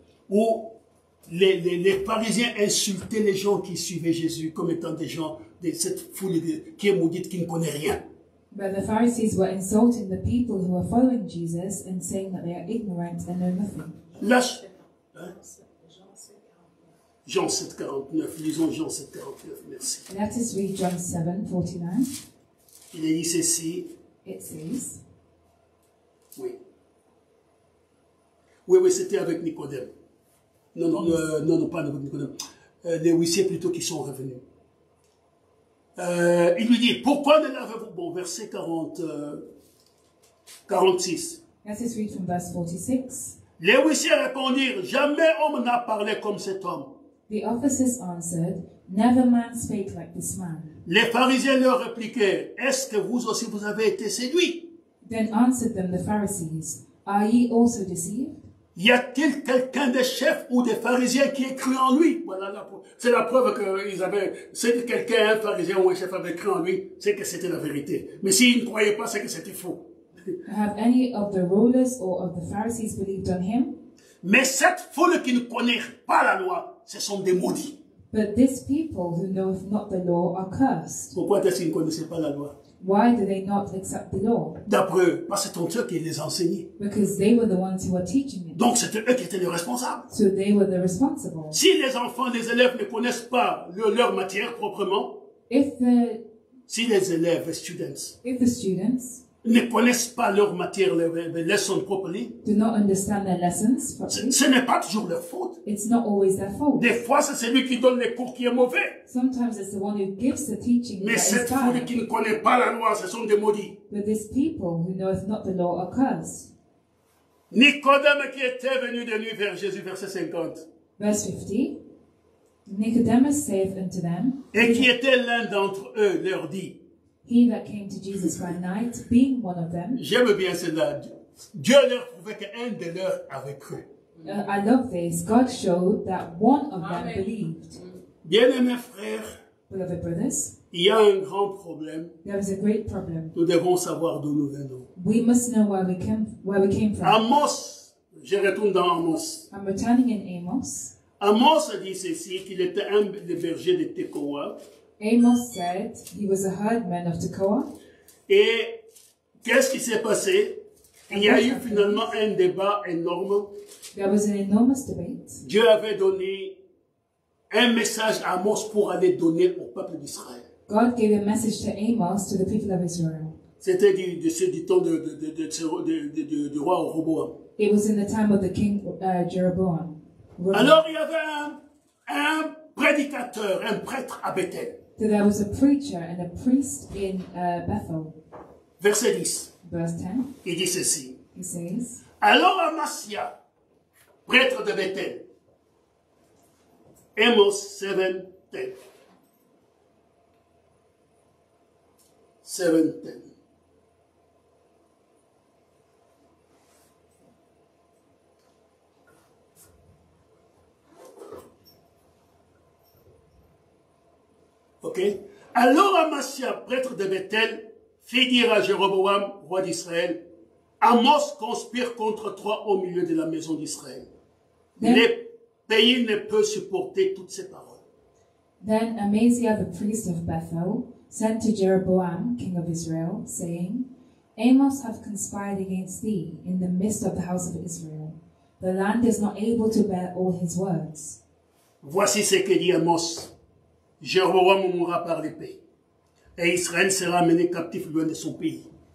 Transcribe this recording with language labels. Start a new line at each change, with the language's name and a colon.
French: Où les Parisiens insultaient les gens qui suivaient Jésus comme étant des gens de cette foule qui est maudite, qui ne connaît rien.
English: But the Pharisees were insulting the people who were following Jesus and saying that they are ignorant and know nothing.
French: Lâche. Jean 7:49, lisons Jean 7:49, merci.
English: Let us read John 7:49.
French: Il est dit ceci.
English: It says.
French: Oui. Oui, c'était avec Nicodème. Non, pas avec Nicodème. Les huissiers plutôt qui sont revenus. Il lui dit, pourquoi ne l'avez-vous? Bon, verset 46.
English: Let us read from verse 46.
French: Les huissiers répondirent, jamais homme n'a parlé comme cet homme.
English: The officers answered, never man spake like this man.
French: Les pharisiens leur répliquèrent, est-ce que vous aussi vous avez été séduits?
English: Then answered them the Pharisees, are ye also deceived?
French: Y a-t-il quelqu'un des chefs ou des pharisiens qui ait cru en lui? Voilà, c'est la preuve qu'ils avaient, c'est quelqu'un, un pharisien ou un chef avait cru en lui, c'est que c'était la vérité. Mais s'ils ne croyaient pas, c'est que c'était faux.
English: Have any of the rulers or of the Pharisees believed on him?
French: Mais cette foule qui ne connaît pas la loi, ce sont des maudits.
English: But these people who know not the law are cursed.
French: Pourquoi est-ce qu'ils ne connaissaient pas la loi?
English: Why do they not accept the law?
French: D'après eux, parce que c'est eux qui les enseignaient.
English: Because they were the ones who were teaching it.
French: Donc c'était eux qui étaient les responsables.
English: So they were the responsible.
French: Si les enfants, les élèves ne connaissent pas leur matière proprement,
English: if the students
French: ne connaissent pas leur matière, les leçons properly.
English: Do not understand their lessons properly.
French: Ce n'est pas toujours leur faute.
English: It's not always their fault.
French: Des fois, c'est celui qui donne les cours qui est mauvais.
English: Sometimes it's the one who gives the teaching.
French: Mais cette foule qui ne connaît pas la loi, ce sont des maudits.
English: But these people who know not the law are cursed.
French: Nicodème qui était venu de nuit vers Jésus, verset 50.
English: Verse 50. Nicodemus saith unto them.
French: Et qui était l'un d'entre eux leur dit.
English: He that came to Jesus by night, being one of them.
French: J'aime bien cela. Dieu leur prouvait qu'un de leurs avait cru.
English: I love this. God showed that one of them believed.
French: Bien-aimés frères,
English: beloved brothers,
French: il y a un grand problème.
English: There is a great problem.
French: Nous devons savoir d'où nous venons.
English: We must know where we came from.
French: Amos, je retourne dans Amos.
English: I'm returning in Amos.
French: Amos a dit ceci, qu'il était un des bergers de Tekoa.
English: Amos said he was a herdman of Tekoa.
French: Et qu'est-ce qui s'est passé? Il y a eu finalement un débat énorme.
English: There was an enormous debate.
French: Dieu avait donné un message à Amos pour aller donner au peuple d'Israël.
English: God gave a message to Amos to the people of Israel.
French: C'était du temps du roi Roboam.
English: It was in the time of the king Jeroboam.
French: Alors il y avait un prédicateur, un prêtre à Bethel.
English: So there was a preacher and a priest in Bethel.
French: Verset 10.
English: Verse 10.
French: Il dit ceci.
English: He says.
French: Alors Amasia, prêtre de Bethel.
English: Amos 7:10. 7:10. Ok.
French: Alors Amasia, prêtre de Bethel, fit dire à Jéroboam, roi d'Israël, Amos conspire contre toi au milieu de la maison d'Israël. Le pays ne peut supporter toutes ces paroles.
English: Then Amasia, the priest of Bethel, sent to Jeroboam, king of Israel, saying, Amos have conspired against thee in the midst of the house of Israel. The land is not able to bear all his words.
French: Voici ce que dit Amos. Jéroboam mourra par l'épée, et Israël sera amené captif loin de son pays.